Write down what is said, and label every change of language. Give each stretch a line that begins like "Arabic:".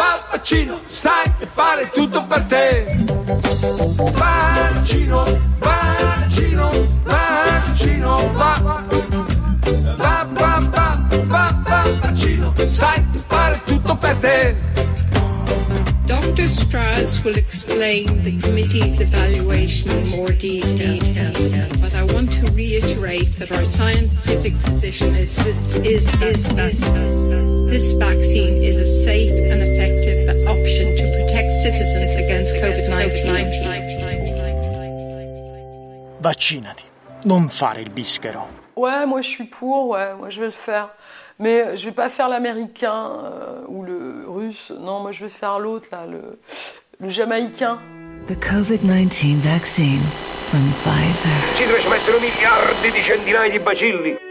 Italian: vaccino, sai che fare tutto per te. Vaccino, vaccino, vaccino, va, va, va, va, va, va, vaccino, sai che fare tutto per te.
English: Dr. Strauss will explain the committee's evaluation in more detail, but I want to reiterate that our scientific position is that this vaccine is a safe and effective option to protect citizens against COVID-19.
Italian: Vaccinati, non fare il bischero.
French: Ouais, moi je suis pour, ouais, moi je vais le faire. Mais je vais pas faire l'américain ou le russe. Non, moi je vais faire l'autre là, le jamaïcain.
English: The COVID-19 vaccine from Pfizer.
Italian: Ci dovresti mettere miliardi di centinaia di bacilli.